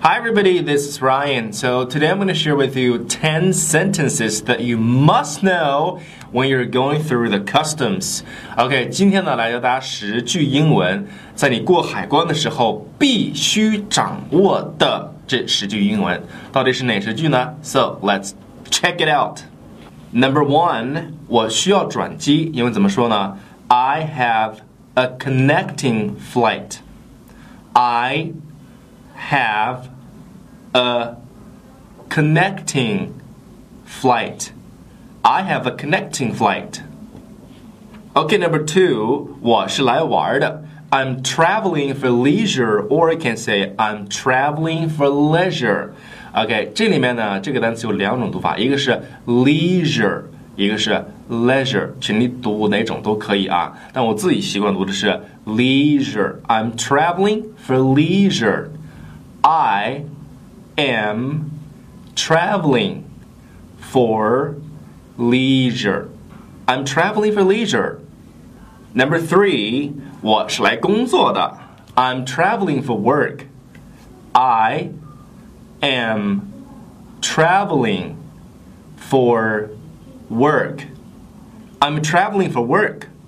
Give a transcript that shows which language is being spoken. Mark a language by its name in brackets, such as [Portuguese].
[English] Hi everybody, this is Ryan. So today I'm going to share with you 10 sentences that you must know when you're going through the customs. [Chinese] OK, 今天呢来教大家十句英文在你过海关的时候必须掌握的这十句英文。到底是哪十句呢？ [English] So let's check it out. Number one, [Chinese] 我需要转机，英文怎么说呢？ [English] I have a connecting flight. I have a connecting flight. I have a connecting flight. Okay, number two, [Chinese] 我是来玩的。 [English] I'm traveling for leisure, or I can say I'm traveling for leisure. [Chinese] Okay, 这里面呢，这个单词有两种读法，一个是 leisure, 一个是 leisure, 请你读哪种都可以啊。但我自己习惯读的是 leisure. [English] I'm traveling for leisure. I am traveling for leisure. I'm traveling for leisure. Number three, [Chinese] 我是来工作的。 [English] I'm traveling for work. I am traveling for work. I'm traveling for work.